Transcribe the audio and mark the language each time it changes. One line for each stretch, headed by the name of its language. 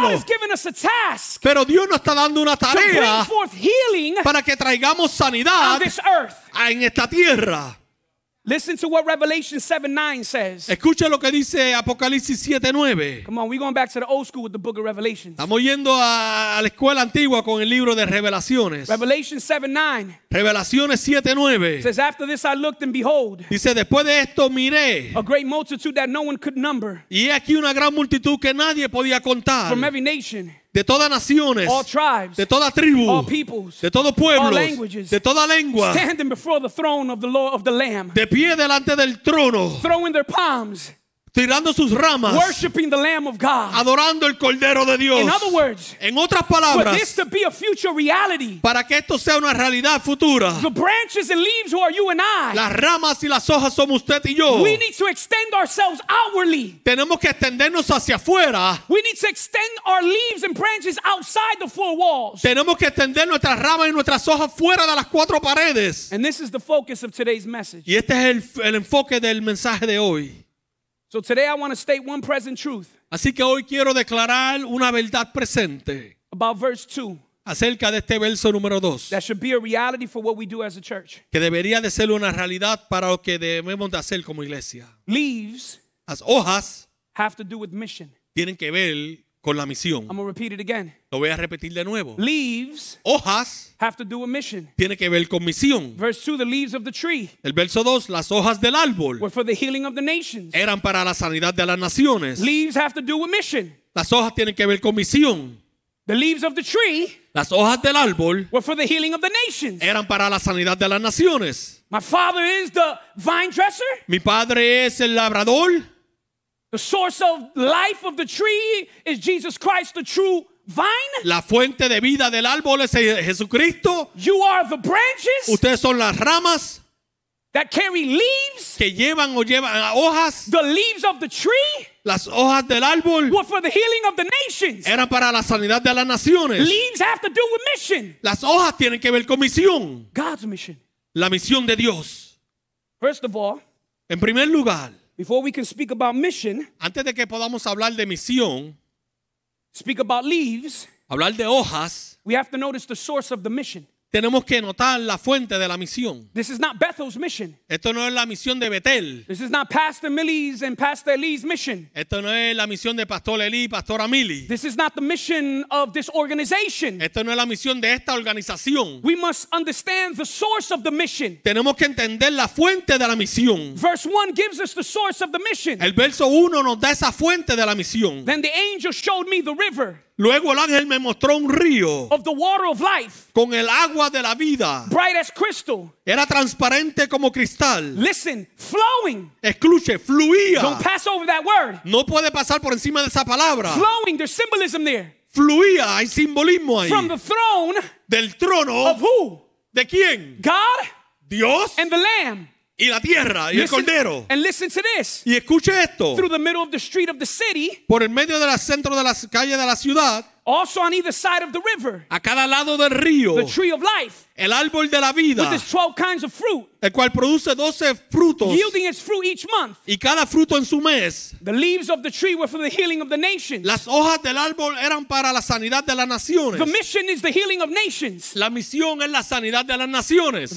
English: But God has given us a task.
Spanish: Pero Dios nos está dando una tarea.
English: To bring forth healing,
Spanish: para que traigamos sanidad,
English: on this earth,
Spanish: en esta tierra.
English: Listen to what Revelation 7:9 says.
Spanish: Escucha lo que dice Apocalipsis 7:9.
English: Come on, we're going back to the old school with the book of Revelation.
Spanish: Estamos yendo a la escuela antigua con el libro de Revelaciones.
English: Revelation 7:9.
Spanish: Revelaciones 7:9.
English: Says, after this I looked and behold.
Spanish: Dice, después de esto miré.
English: A great multitude that no one could number.
Spanish: Y aquí una gran multitud que nadie podía contar.
English: From every nation.
Spanish: De todas naciones,
English: all tribes,
Spanish: de toda tribu,
English: all peoples,
Spanish: de todo pueblo,
English: all languages,
Spanish: de toda lengua,
English: standing before the throne of the Lord of the Lamb,
Spanish: de pie delante del trono,
English: throwing their palms,
Spanish: tirando sus ramas,
English: worshiping the Lamb of God,
Spanish: adorando el Cordero de Dios.
English: In other words,
Spanish: en otras palabras,
English: for this to be a future reality,
Spanish: para que esto sea una realidad futura,
English: the branches and leaves who are you and I,
Spanish: las ramas y las hojas somos usted y yo,
English: we need to extend ourselves outwardly,
Spanish: tenemos que extendernos hacia afuera,
English: we need to extend our leaves and branches outside the four walls,
Spanish: tenemos que extender nuestras ramas y nuestras hojas fuera de las cuatro paredes.
English: And this is the focus of today's message.
Spanish: Y este es el enfoque del mensaje de hoy.
English: So today I want to state one present truth.
Spanish: Así que hoy quiero declarar una verdad presente.
English: About verse 2.
Spanish: Acerca de este verso número 2.
English: That should be a reality for what we do as a church.
Spanish: Que debería de ser una realidad para lo que debemos de hacer como iglesia.
English: Leaves.
Spanish: Las hojas.
English: Have to do with mission.
Spanish: Tienen que ver con la misión.
English: I'm going to repeat it again.
Spanish: Lo voy a repetir de nuevo.
English: Leaves.
Spanish: Hojas.
English: Have to do with mission.
Spanish: Tiene que ver con misión.
English: Verse 2, the leaves of the tree.
Spanish: El verso 2, las hojas del árbol.
English: Were for the healing of the nations.
Spanish: Eran para la sanidad de las naciones.
English: Leaves have to do with mission.
Spanish: Las hojas tienen que ver con misión.
English: The leaves of the tree.
Spanish: Las hojas del árbol.
English: Were for the healing of the nations.
Spanish: Eran para la sanidad de las naciones.
English: My father is the vine dresser.
Spanish: Mi padre es el labrador.
English: The source of life of the tree is Jesus Christ, the true vine.
Spanish: La fuente de vida del árbol es Jesucristo.
English: You are the branches.
Spanish: Ustedes son las ramas.
English: That carry leaves.
Spanish: Que llevan o llevan hojas.
English: The leaves of the tree.
Spanish: Las hojas del árbol.
English: Were for the healing of the nations.
Spanish: Eran para la sanidad de las naciones.
English: Leaves have to do with mission.
Spanish: Las hojas tienen que ver con misión.
English: God's mission.
Spanish: La misión de Dios.
English: First of all.
Spanish: En primer lugar.
English: Before we can speak about mission,
Spanish: antes de que podamos hablar de misión,
English: speak about leaves,
Spanish: hablar de hojas,
English: we have to notice the source of the mission.
Spanish: Tenemos que notar la fuente de la misión.
English: This is not Bethel's mission.
Spanish: Esto no es la misión de Bethel.
English: This is not Pastor Millie's and Pastor Lee's mission.
Spanish: Esto no es la misión de Pastor Lee y Pastora Millie.
English: This is not the mission of this organization.
Spanish: Esto no es la misión de esta organización.
English: We must understand the source of the mission.
Spanish: Tenemos que entender la fuente de la misión.
English: Verse 1 gives us the source of the mission.
Spanish: El verso 1 nos da esa fuente de la misión.
English: Then the angel showed me the river.
Spanish: Luego el ángel me mostró un río
English: of the water of life,
Spanish: con el agua de la vida.
English: Bright as crystal.
Spanish: Era transparente como cristal.
English: Listen, flowing.
Spanish: Escuche, fluía.
English: Don't pass over that word.
Spanish: No puede pasar por encima de esa palabra.
English: Flowing, there's symbolism there.
Spanish: Fluía, hay simbolismo ahí.
English: From the throne.
Spanish: Del trono.
English: Of who?
Spanish: ¿De quién?
English: God.
Spanish: Dios.
English: And the Lamb.
Spanish: Y la tierra, y listen, el cordero.
English: And listen to this.
Spanish: Y escuche esto.
English: Through the middle of the street of the city.
Spanish: Por el medio del centro de la calle de la ciudad.
English: Also on either side of the river.
Spanish: A cada lado del río.
English: The tree of life.
Spanish: El árbol de la vida.
English: With its 12 kinds of fruit.
Spanish: El cual produce 12 frutos.
English: Yielding its fruit each month.
Spanish: Y cada fruto en su mes.
English: The leaves of the tree were for the healing of the nations.
Spanish: Las hojas del árbol eran para la sanidad de las naciones.
English: The mission is the healing of nations.
Spanish: La misión es la sanidad de las naciones.